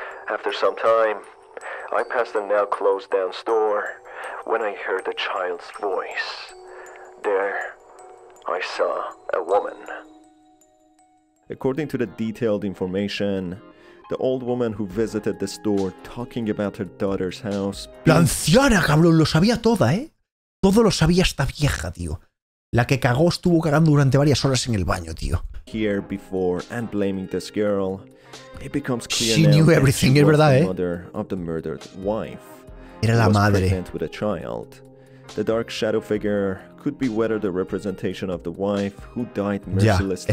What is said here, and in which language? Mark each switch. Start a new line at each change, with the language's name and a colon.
English: After some time, I passed the now closed down store when I heard a child's voice. There, I saw a woman. According to the detailed information, the old woman who visited the store talking about her daughter's house...
Spanish: La anciana, cabrón, lo sabía toda, ¿eh? Todo lo sabía esta vieja, tío. La que cagó estuvo cagando durante varias horas en el baño, tío.
English: Here before and blaming this girl, it becomes clear she knew everything, she
Spanish: es verdad,
English: the
Spanish: ¿eh?
English: Mother of the murdered wife.
Spanish: Era la madre.
English: Pregnant with a child. The dark shadow figure could be whether the representation of the wife who died mercilessly.